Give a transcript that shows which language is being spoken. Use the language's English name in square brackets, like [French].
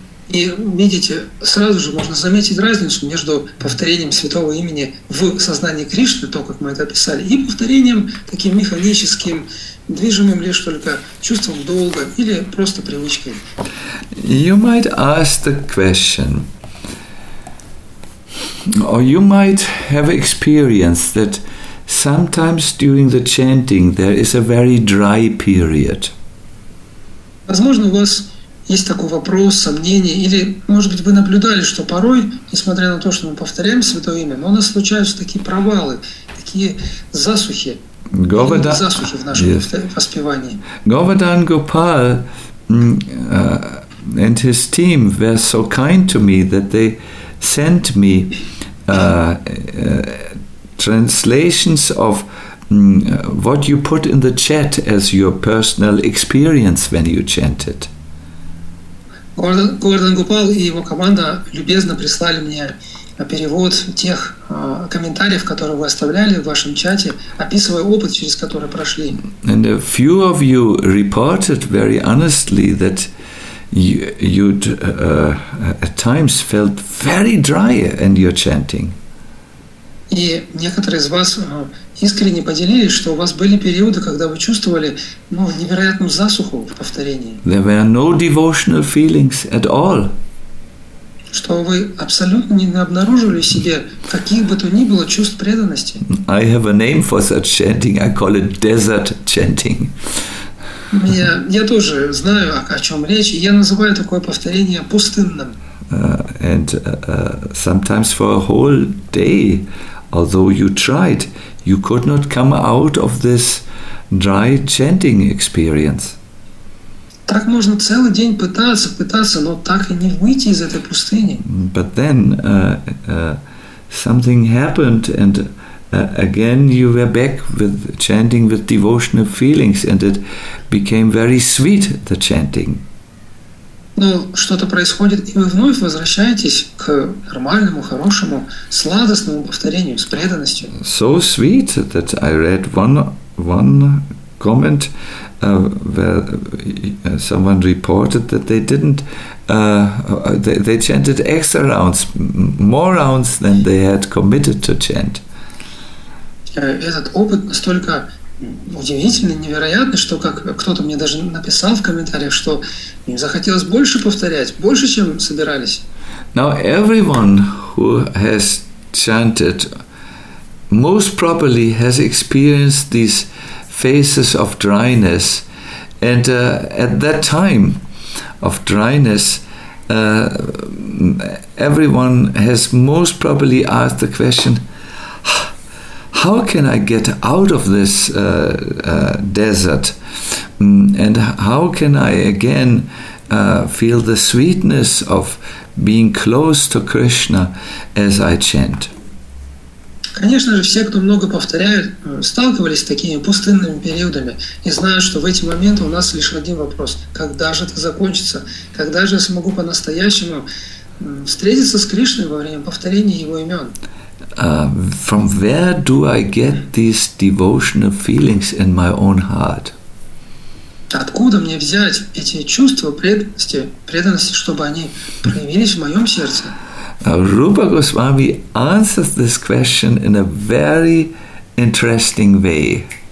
[Russian] И видите, сразу же можно заметить разницу между повторением святого имени в сознании Кришны, то, как мы это описали, и повторением таким механическим, движимым лишь только чувством долга или просто привычкой. [English] You might ask the question, or you might have experienced that sometimes during the chanting there is a very dry period. [Russian] Возможно, у вас есть такой вопрос, сомнение, или, может быть, вы наблюдали, что порой, несмотря на то, что мы повторяем святое имя, но у нас случаются такие провалы, такие засухи. Засухи в нашем воспевании. [English] Govardhan Gopal and his team were so kind to me that they sent me translations of what you put in the chat as your personal experience when you chanted. [Russian] Govardhan Gopal и его команда любезно прислали мне перевод тех комментариев, которые вы оставляли в вашем чате, описывая опыт, через который прошли. [English] And a few of you reported very honestly that you'd at times felt very dry in your chanting. [Russian] И некоторые из вас искренне поделились, что у вас были периоды, когда вы чувствовали, ну, невероятную засуху в повторении. [English] There were no devotional feelings at all. [Russian] что вы абсолютно не обнаружили в себе каких бы то ни было чувств преданности. [English] I have a name for such chanting. I call it desert chanting. [Russian] Я тоже знаю, о чем речь, и я называю такое повторение пустынным. [English] Sometimes for a whole day, although you tried, you could not come out of this dry chanting experience. [Russian] Так можно целый день пытаться, но так и не выйти из этой пустыни. [English] But then something happened, and again you were back with chanting with devotional feelings, and it became very sweet, the chanting. [Russian] Ну, что-то происходит, и вы вновь возвращаетесь к нормальному, хорошему, сладостному повторению с преданностью. [English] So sweet that I read one comment where someone reported that they didn't they chanted extra rounds, more rounds than they had committed to chant. [Russian] Этот опыт настолько удивительно, невероятно, что как кто-то мне даже написал в комментариях, что им захотелось больше повторять, больше, чем собирались. [English] Now everyone who has chanted most properly has experienced these phases of dryness, and at that time of dryness, everyone has most probably asked the question, how can I get out of this desert, and how can I again feel the sweetness of being close to Krishna as I chant? [Russian] Конечно же, все, кто много повторяет, сталкивались с такими пустынными периодами и знают, что в эти моменты у нас лишь один вопрос – когда же это закончится? Когда же я смогу по-настоящему встретиться с Кришной во время повторения Его имен? [English] From where do I get these devotional feelings in my own heart? [Russian] Откуда мне взять эти чувства преданности, чтобы они проявились в моем сердце? [English] Rupa Goswami answers this question in a very interesting way.